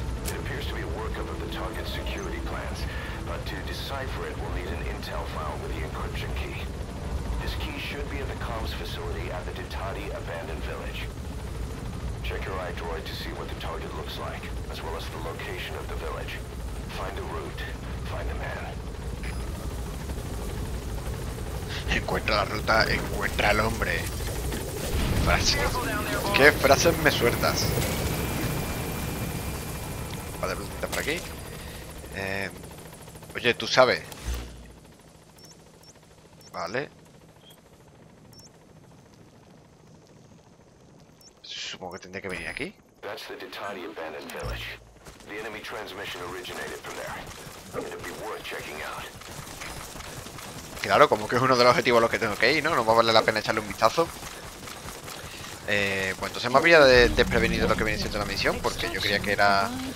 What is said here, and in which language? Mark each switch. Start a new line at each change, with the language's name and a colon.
English: It appears to be a workup of the target's security plans, but to decipher it, we'll need an intel file with the encryption key. This key should be at the comms facility at the Detati abandoned village. Check your iDroid to see what the target looks like, as well as the location of the village. Find the route, find the man.
Spanish: Encuentra la ruta, encuentra al hombre. ¿Qué frases me sueltas? Vale, preguntita por aquí. Oye, tú sabes. Vale. Supongo que tendría que venir aquí.
English: That's the Detati abandoned village. The enemy transmission originated from there. It'd be worth checking out.
Spanish: Claro, como que es uno de los objetivos a los que tengo que ir, ¿no? No va a valer la pena echarle un vistazo. Pues entonces me había desprevenido lo que viene siendo la misión, porque yo creía que era...